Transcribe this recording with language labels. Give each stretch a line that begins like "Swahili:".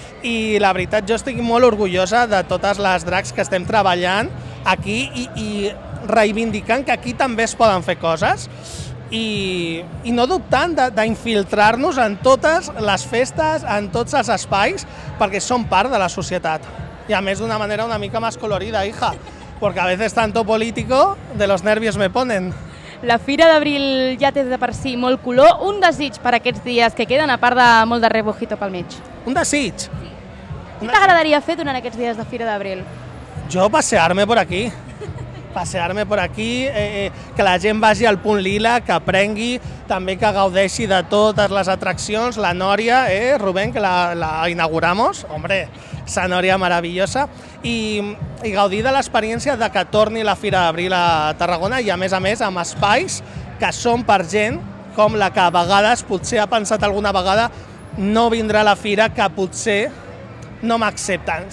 Catalan: I la veritat, jo estic molt orgullosa de totes les drags que estem treballant aquí i reivindicant que aquí també es poden fer coses i no dubtant d'infiltrar-nos en totes les festes, en tots els espais, perquè som part de la societat. I a més d'una manera una mica més colorida, hija.
Spanish: Porque a veces tanto político de los nervios me ponen.
Catalan: La Fira d'Abril ja té de per si molt color. Un desig per aquests dies que queden, a part de molt de rebujito pel mig. Un desig? Sí. Què t'agradaria fer durant aquests dies de Fira d'Abril? Jo passear-me per aquí. Passear-me per aquí,
Spanish: que la gent vagi al punt lila, que aprengui, també que gaudeixi de totes les atraccions, la Nòria, Rubén, que la inauguramos, hombre, esa Nòria maravillosa,
Catalan: i gaudir de l'experiència de que torni la Fira d'Abril a Tarragona i, a més, amb espais que són per gent com la que a vegades potser ha pensat alguna vegada no vindrà a la Fira, que potser no m'accepten.